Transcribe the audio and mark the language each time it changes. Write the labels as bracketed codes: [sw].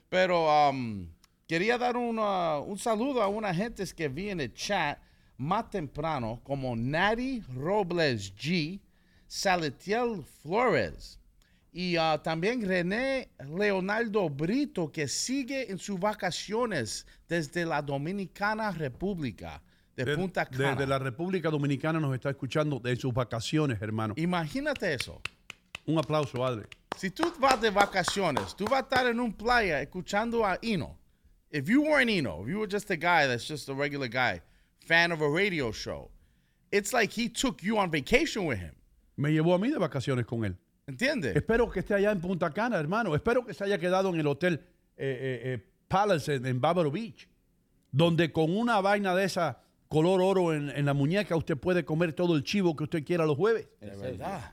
[es] Pero quería dar un saludo a una gente que vi en el chat más temprano, como Nari Robles G, Salitiel Flores, y también René Leonardo Brito, que sigue en sus vacaciones desde la Dominicana República, de Punta Cana. De la República Dominicana nos está escuchando de sus vacaciones, hermano. Imagínate eso. Un aplauso, Adler. Si tú vas de vacaciones, tú vas a estar en un playa escuchando a Hino. [en] If you weren't Hino, if you were just a guy that's just a regular guy, fan of a radio show, it's like he took you on vacation with him. [es] Me llevó a mí de vacaciones con él. ¿Entiendes? Espero que esté allá en Punta Cana, hermano. Espero que se haya quedado en el hotel Palace en Barbaro Beach, donde con una vaina de esa color oro en la muñeca usted puede comer todo el chivo que usted quiera los jueves. Es verdad.